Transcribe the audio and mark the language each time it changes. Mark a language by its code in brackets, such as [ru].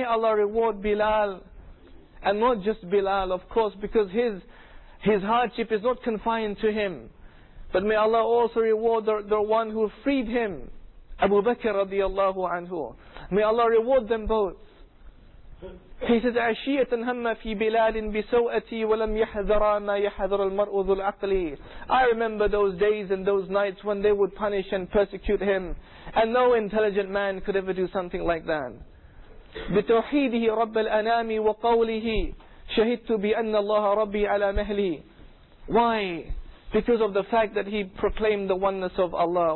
[en] May Allah reward Bilal, and not just Bilal, of course, because his hardship is not confined to him. But may Allah also reward the one who freed him, Abu Bakr radiallahu anhu. May Allah reward them both. He says, [ar] عَشِيَةً هَمَّ فِي بِلَالٍ بِسَوْأَتِي وَلَمْ يَحْذَرَا مَا يَحْذَرَ الْمَرْءُ ذُو الْعَقْلِ. [en] I remember those days and those nights when they would punish and persecute him. And no intelligent man could ever do something like that. [ar] بِتَوْحِيدِهِ رَبَّ الْأَنَامِ وَقَوْلِهِ شَهِدْتُ بِأَنَّ اللَّهَ رَبِّي عَلَى مَهْلِي. [en] Why? Because of the fact that he proclaimed the oneness of Allah.